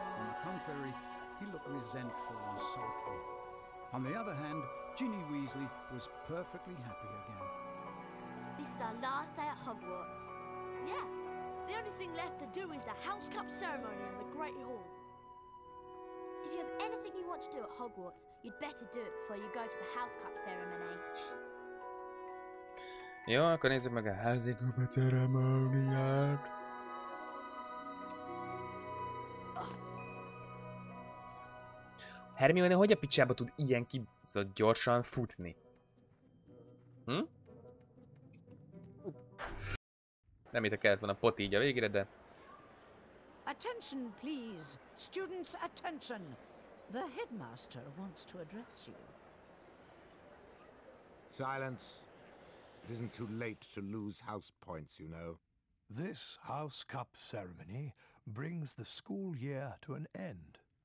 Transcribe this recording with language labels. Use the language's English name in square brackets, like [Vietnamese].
[English] On the contrary, he looked resentful and sulky. On the other hand, Ginny Weasley was perfectly happy again. This is our last day at Hogwarts. Yeah, the only thing left to do is the House Cup ceremony in the Great Hall. If you have anything you want to do at Hogwarts, you'd better do it before you go to the House Cup ceremony. [Hungarian] Jó, akkor nézzük meg a House Cup ceremóniát. Hermione, hogy a picsába tud ilyen kibaszott gyorsan futni? Nem itt a kellett volna poti így a végére, de... [English] Attention, please! Students, attention! The headmaster wants to address you. Silence! It isn't too late to lose house points, you know. This house cup ceremony brings the school year to an end.